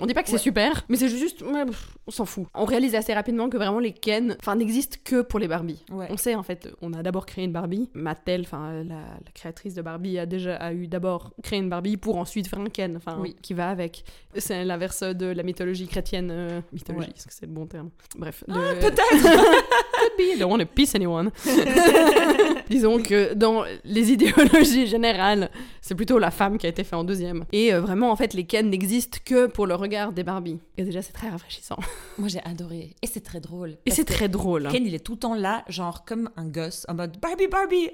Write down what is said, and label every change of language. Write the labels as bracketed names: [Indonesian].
[French] On dit pas que c'est super, mais c'est juste, ouais, on s'en fout. On réalise assez rapidement que vraiment les Ken, enfin, n'existent que pour les Barbies. Ouais. On sait en fait, on a d'abord créé une Barbie. Mattel, enfin, la créatrice de Barbie a eu d'abord créé une Barbie pour ensuite faire un Ken, enfin, oui. Qui va avec. C'est l'inverse de la mythologie chrétienne. Mythologie, ouais. Est-ce que c'est le bon terme? Bref. Peut-être! [English] Could be. I don't want to piss anyone. [French] Disons que dans les idéologies générales, c'est plutôt la femme qui a été faite en deuxième. Et vraiment, en fait, les Ken n'existent que pour le regard des Barbies. Et déjà, c'est très rafraîchissant. Moi, j'ai adoré. Et c'est très drôle. Et c'est très drôle. Ken, il est tout le temps là, genre comme un gosse, en mode Barbie,